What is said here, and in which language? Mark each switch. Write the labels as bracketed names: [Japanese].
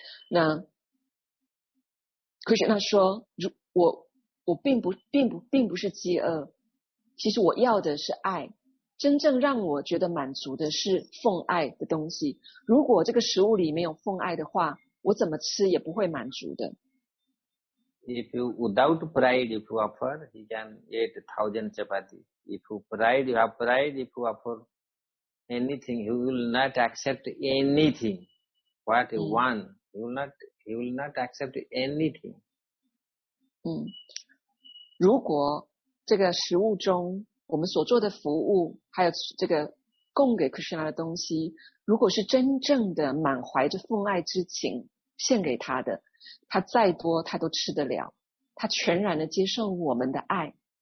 [Chinese] 那 Krishna 说，我并不是饥饿，其实我要的是爱。真正让我觉得满足的是奉爱的东西。如果这个食物里没有奉爱的话，我怎么吃也不会满足的。 [English] If you without pride, if you offer, he can eat 1,000 chapati. If you pride, you have pride, if you offer anything, he will not accept anything. What you want, he will not accept anything. [Chinese] 如果这个食物中我们所做的服务还有这个供给 Krishna 的东西，如果是真正的满怀着奉爱之情献给他的，他再多他都吃得了，他全然的接受我们的爱。